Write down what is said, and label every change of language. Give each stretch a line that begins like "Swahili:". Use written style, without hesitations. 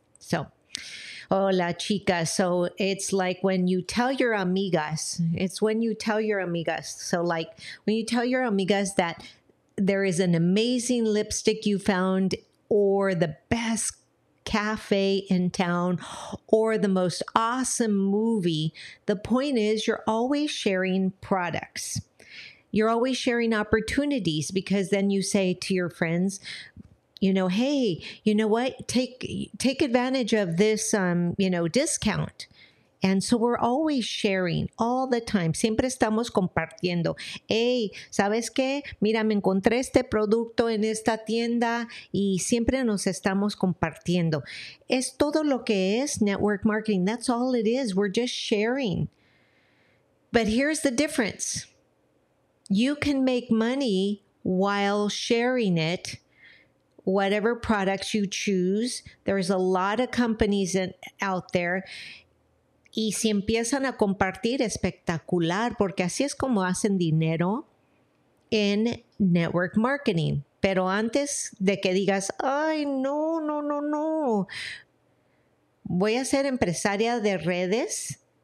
English: So,
Spanish: hola, chicas.
English: So it's like when you tell your amigas, So like when you tell your amigas that there is an amazing lipstick you found, or the best cafe in town, or the most awesome movie, the point is you're always sharing products. You're always sharing opportunities, because then you say to your friends, take advantage of this, discount. And so we're always sharing all the time.
Spanish: Siempre estamos compartiendo. Hey, ¿sabes qué? Mira, me encontré este producto en esta tienda, y siempre nos estamos compartiendo. Es todo lo que es network marketing.
English: That's all it is. We're just sharing. But here's the difference. You can make money while sharing it. Whatever products you choose, there's a lot of companies out there.
Spanish: Y si empiezan a compartir, espectacular, porque así es como hacen dinero en network marketing. Pero antes de que digas, ay, no, voy a ser empresaria de redes.